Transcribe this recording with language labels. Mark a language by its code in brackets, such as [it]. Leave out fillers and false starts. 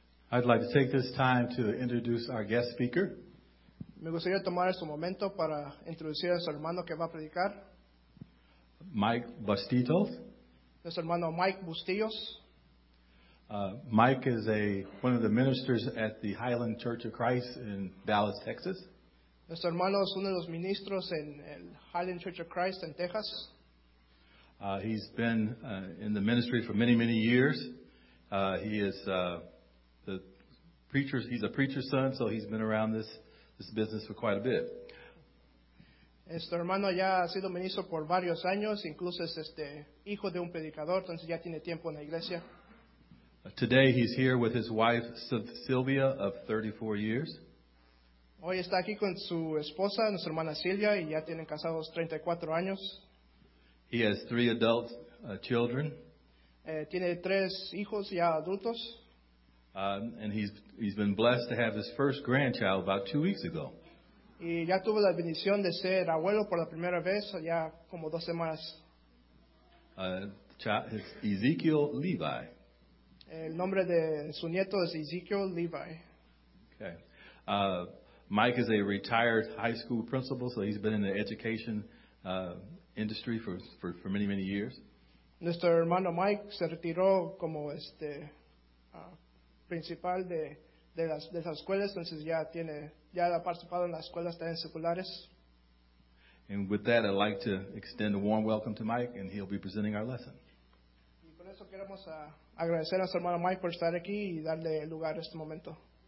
[en] I'd like to take this time to introduce our guest speaker. [es] Me gustaría tomar este momento para introducir a su hermano que va a predicar. [en] Mike Bustillos. [es] Nuestro hermano Mike Bustillos. [en] Mike is one of the ministers at the Highland Church of Christ in Dallas, Texas. [es] Nuestro hermano es uno de los ministros en el Highland Church of Christ en Texas. [en] He's been in the ministry for many, many years. He's a preacher's son, so he's been around this business for quite a bit. [es] Este hermano ya ha sido ministro por varios años, incluso es hijo de un predicador, entonces ya tiene tiempo en la iglesia. [en] Today he's here with his wife Sylvia of 34 years. [es] Hoy está aquí con su esposa, nuestra hermana Silvia, y ya tienen casados 34 años. [en] He has three adult children. [es] Tiene tres hijos ya adultos. [en] And he's been blessed to have his first grandchild about 2 weeks ago. [es] Y ya tuvo la bendición de ser abuelo por la primera vez ya como dos semanas. [en] His Ezekiel Levi. [es] El nombre de su nieto es Ezekiel Levi. [en] Okay. Mike is a retired high school principal, so he's been in the education industry for many, many years. [es] Nuestro hermano Mike se retiró como principal de las escuelas, entonces ya ha participado en las escuelas también seculares. [en] And with that, I'd like to extend a warm welcome to Mike, and he'll be presenting our lesson. [es] Y por eso queremos agradecer a nuestro hermano Mike por estar aquí y darle lugar a este momento.